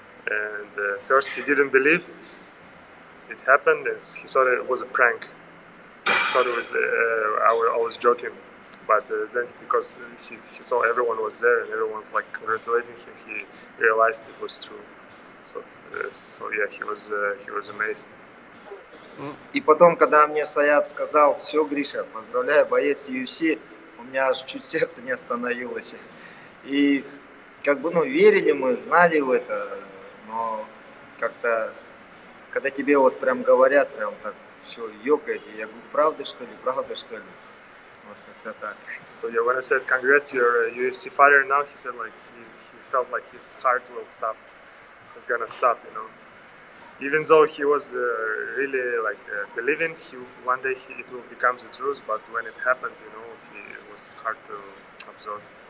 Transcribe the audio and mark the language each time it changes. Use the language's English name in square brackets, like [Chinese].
[English] And first he didn't believe it happened, and he thought it was a prank. I thought it was, I was joking, but then because he saw everyone was there and everyone's like congratulating him, he realized it was true. So yeah, he was amazed. [Russian] И потом, когда мне Саят сказал, все, Гриша, поздравляю, боец UFC, у меня аж чуть сердце не остановилось. И как бы, ну, верили мы, знали в это, но как-то, когда тебе вот прям говорят, прям так, все, ёкает, я говорю, правда что ли, правда что ли? Вот как-то так. [English] So yeah, when I said congrats, you're a UFC fighter now, he said like he felt like his heart will stop, it's gonna stop, you know. Even though he was really like believing he one day he, it will become the truth, but when it happened, you know, it was hard to absorb.